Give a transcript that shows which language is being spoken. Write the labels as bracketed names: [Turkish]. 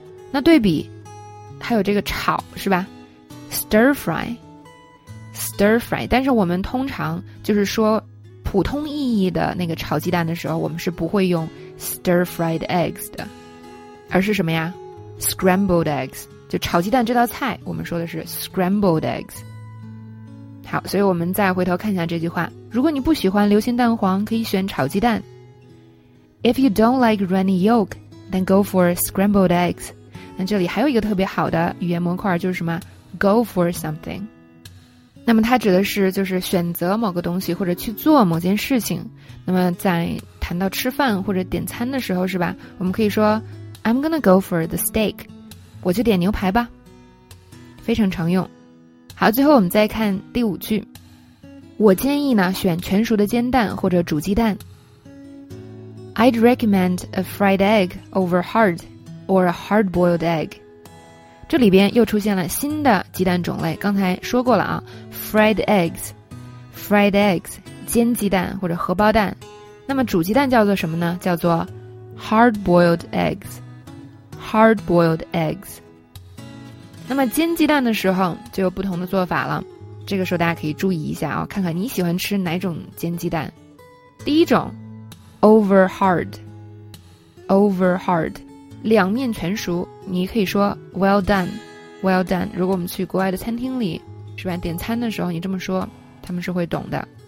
[Chinese] 那对比还有这个炒是吧， stir fry, stir fry, 但是我们通常就是说普通意义的那个炒鸡蛋的时候，我们是不会用 stir fried eggs 的，而是什么呀， scrambled eggs, 就炒鸡蛋这道菜我们说的是 scrambled eggs。好，所以我们再回头看一下这句话，如果你不喜欢流心蛋黄可以选炒鸡蛋。 [English] If you don't like runny yolk, then go for scrambled eggs. [Chinese] 那这里还有一个特别好的语言模块，就是什么， go for something。那么它指的是就是选择某个东西或者去做某件事情。那么在谈到吃饭或者点餐的时候是吧，我们可以说 [English] I'm gonna go for the steak, [Chinese] 我就点牛排吧，非常常用。好，最后我们再看第五句，我建议呢选全熟的煎蛋或者煮鸡蛋。 [English] I'd recommend a fried egg over hard or a hard boiled egg. [Chinese] 这里边又出现了新的鸡蛋种类，刚才说过了啊， fried eggs, fried eggs, 煎鸡蛋或者荷包蛋。那么煮鸡蛋叫做什么呢？叫做 [English] hard boiled eggs, hard boiled eggs。 [Chinese] 那么煎鸡蛋的时候就有不同的做法了，这个时候大家可以注意一下啊，看看你喜欢吃哪种煎鸡蛋。第一种 over hard, over hard, 两面全熟，你可以说 well done, well done, 如果我们去国外的餐厅里是吧，点餐的时候你这么说他们是会懂的。